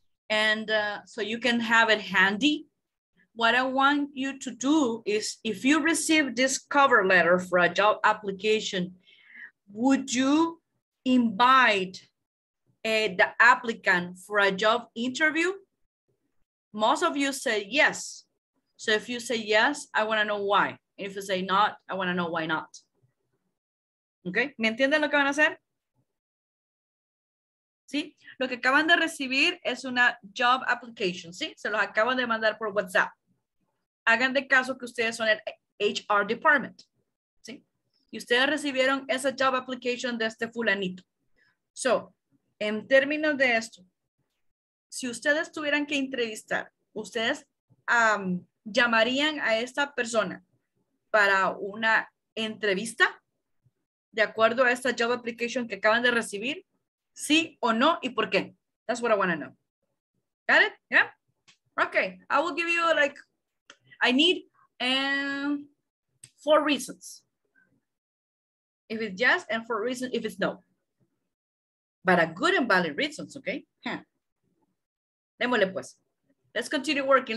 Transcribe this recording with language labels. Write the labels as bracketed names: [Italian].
[English] And so you can have it handy. What I want you to do is if you receive this cover letter for a job application, would you invite the applicant for a job interview? Most of you say yes. So if you say yes, I want to know why. And if you say not, I want to know why not. [Spanish] Okay, ¿me entienden lo que van a hacer? ¿Sí? Lo que acaban de recibir es una job application, ¿sí? Se los acaban de mandar por WhatsApp. Hagan de caso que ustedes son el HR department, ¿sí? Y ustedes recibieron esa job application de este fulanito. So, en términos de esto, si ustedes tuvieran que entrevistar, ustedes llamarían a esta persona para una entrevista, de acuerdo a esta job application que acaban de recibir, sí o no, y por qué. [English] That's what I want to know. Got it? Yeah? Okay, I will give you like, I need 4 reasons. If it's yes, and 4 reasons if it's no. But a good and valid reasons, okay? Yeah. [Spanish] Démosle pues. [English] Let's continue working.